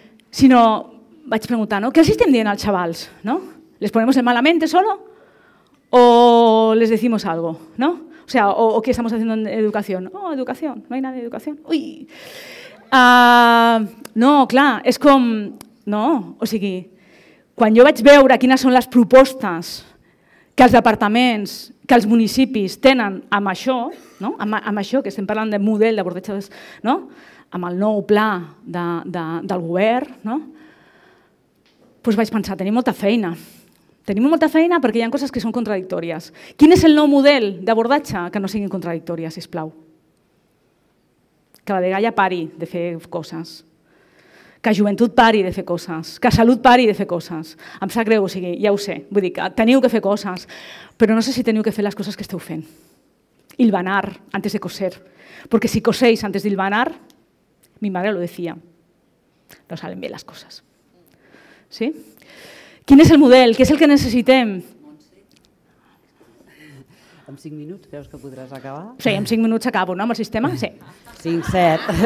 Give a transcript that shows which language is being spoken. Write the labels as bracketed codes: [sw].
[ca] Sinó, vaig preguntar, no? Què els estem dient als xavals? No? [es] ¿Les ponemos en mala mente solo? ¿O les decimos algo? No? O sea, ¿o qué estamos haciendo en educación? Oh, educación, no hay nada de educación. [ca] Uy. No, clar, és com... No, o sigui, quan jo vaig veure quines són les propostes que els departaments, que els municipis tenen amb això, no? amb això que estem parlant de model d'abordatges, no? Amb el nou pla del govern, no? Pues vaig pensar, tenim molta feina. Tenim molta feina perquè hi ha coses que són contradictòries. Quin és el nou model d'abordatge que no siguin contradictòries, sisplau? Que la dgaia pari de fer coses. Que joventut pari de fer coses. Que salut pari de fer coses. Em sap greu, o sigui, ja ho sé. Vull dir que teniu que fer coses, però no sé si teniu que fer les coses que esteu fent. [es] hilvanar antes de coser. Porque si coséis antes de hilvanar, mi madre lo decía, no salen bien las cosas. [ca] ¿Sí? ¿Quién és el model? Què és el que necessitem? En 5 minuts creus que podràs acabar? Sí, en 5 minuts acabo, no? Amb el sistema? Sí. 5, 7.